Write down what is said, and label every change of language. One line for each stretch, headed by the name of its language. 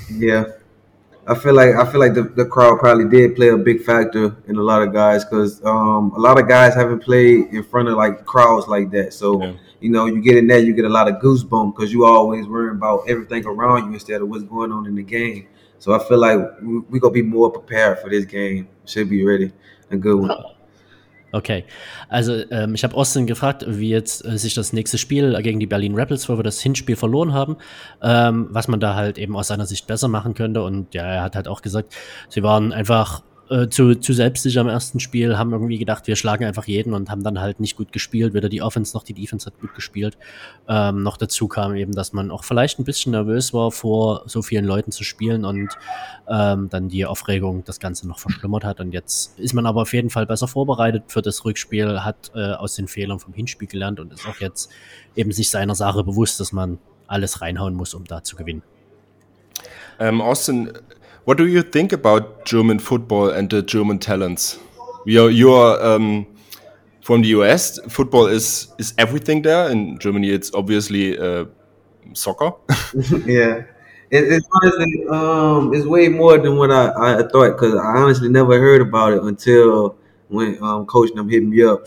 English: Yeah, I feel like the crowd probably did play a big factor in a lot of guys, because a lot of guys haven't played in front of like crowds like that. So yeah. You know, you get in there, you get a lot of goosebumps because you always worrying about everything around you instead of what's going on in the game. So I feel like we're going to be more prepared for this game. Should be ready. A good one. Okay.
German: Also, ich habe Austin gefragt, wie jetzt sich das nächste Spiel gegen die Berlin Rebels, wo wir das Hinspiel verloren haben, was man da halt eben aus seiner Sicht besser machen könnte. Und ja, er hat halt auch gesagt, sie waren einfach zu selbstsicher im ersten Spiel, haben irgendwie gedacht, wir schlagen einfach jeden und haben dann halt nicht gut gespielt. Weder die Offense noch die Defense hat gut gespielt. Noch dazu kam eben, dass man auch vielleicht ein bisschen nervös war, vor so vielen Leuten zu spielen und dann die Aufregung das Ganze noch verschlimmert hat. Und jetzt ist man aber auf jeden Fall besser vorbereitet für das Rückspiel, hat aus den Fehlern vom Hinspiel gelernt und ist auch jetzt eben sich seiner Sache bewusst, dass man alles reinhauen muss, um da zu gewinnen.
English: Austin, what do you think about German football and the German talents? You're from the US. Football is everything there. In Germany, it's obviously soccer. Yeah. It's honestly, it's way more than what I thought, because I honestly never heard about it until when Coach them hit me up.